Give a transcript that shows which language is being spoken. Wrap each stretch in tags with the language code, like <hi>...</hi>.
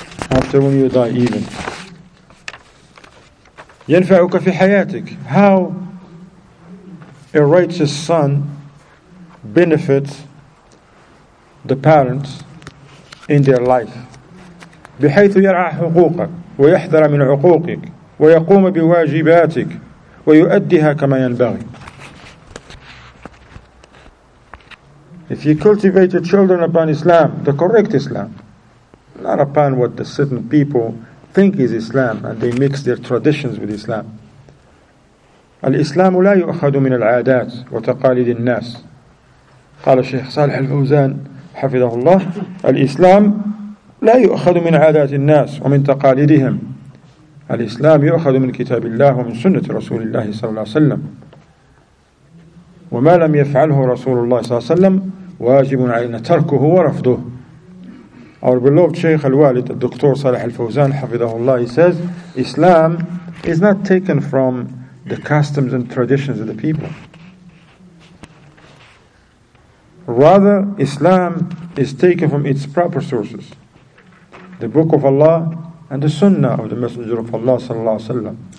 <en>After when you die, even.</en> <ar>ينفعك في حياتك.</ar> <en>How a righteous son benefits the parents in their life.</en> <ar>بحيث يرعى حقوقك ويحذر من عقوقك ويقوم بواجباتك ويؤديها كما ينبغي.</ar> <en>If you cultivate your children upon Islam, the correct Islam, not upon what the certain people think is Islam, and they mix their traditions with Islam.</en> <ar>الإسلام لا يؤخذ من العادات وتقاليد الناس. قال الشيخ صالح الفوزان حفظه الله. الإسلام لا يؤخذ من عادات الناس ومن تقاليدهم. الإسلام يؤخذ من كتاب الله ومن سنة رسول الله صلى الله عليه وسلم. وما لم يفعله رسول الله صلى الله عليه وسلم واجب علينا تركه ورفضه.</ar> <en>Our beloved Sheikh Al-Walid, Dr. Salih Al-Fawzan,</en> <ar>حفظه الله,</ar> <en>he says, Islam is not taken from the customs and traditions of the people. Rather, Islam is taken from its proper sources, the Book of Allah and the Sunnah of the Messenger of Allah sallallahu alaihi wasallam.</en>